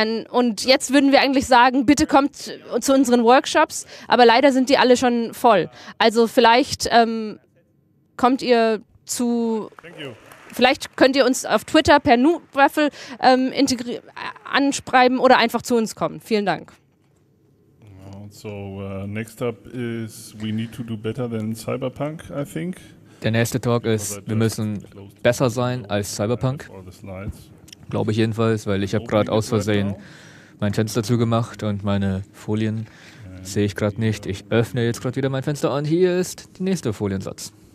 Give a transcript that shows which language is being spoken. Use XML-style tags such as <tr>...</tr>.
<de>Und jetzt würden wir eigentlich sagen, bitte kommt zu unseren Workshops, aber leider sind die alle schon voll. Also vielleicht kommt ihr zu... Vielleicht könnt ihr uns auf Twitter per Noobwaffel anschreiben oder einfach zu uns kommen. Vielen Dank.</de> <en>So, next up is we need to do better than Cyberpunk, I think.</en> <de>Der nächste Talk ist, wir müssen besser sein als Cyberpunk. Glaube ich jedenfalls, weil ich habe gerade aus Versehen mein Fenster zugemacht und meine Folien sehe ich gerade nicht. Ich öffne jetzt gerade wieder mein Fenster und hier ist der nächste Foliensatz.</de>